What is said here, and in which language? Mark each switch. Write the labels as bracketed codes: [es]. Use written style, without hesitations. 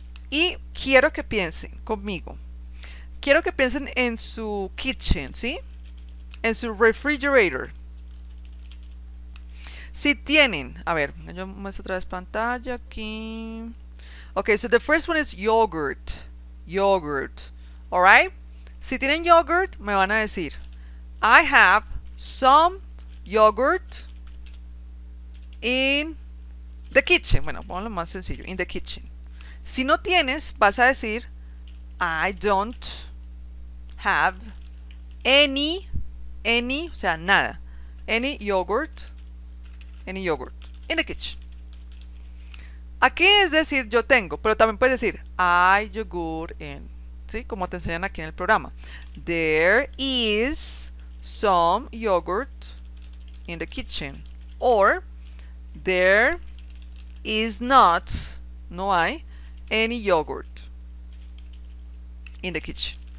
[es] Y quiero que piensen conmigo. Quiero que piensen en su kitchen, ¿sí? En su refrigerator. Si tienen, a ver, yo muestro otra vez pantalla aquí. [en] Ok, so the first one is yogurt. Yogurt. Alright. [es] Si tienen yogurt, me van a decir, [en] I have some yogurt in the kitchen. [es] Bueno, ponlo más sencillo, [en] in the kitchen. [es] Si no tienes, vas a decir, [en] I don't have any, [es] o sea, nada, [en] any yogurt in the kitchen. [es] Aquí es decir, yo tengo, pero también puedes decir, [en] I yogurt in, [es] ¿sí? Como te enseñan aquí en el programa. [en] There is some yogurt in the kitchen. Or, there is not, [es] no hay, [en] any yogurt in the kitchen.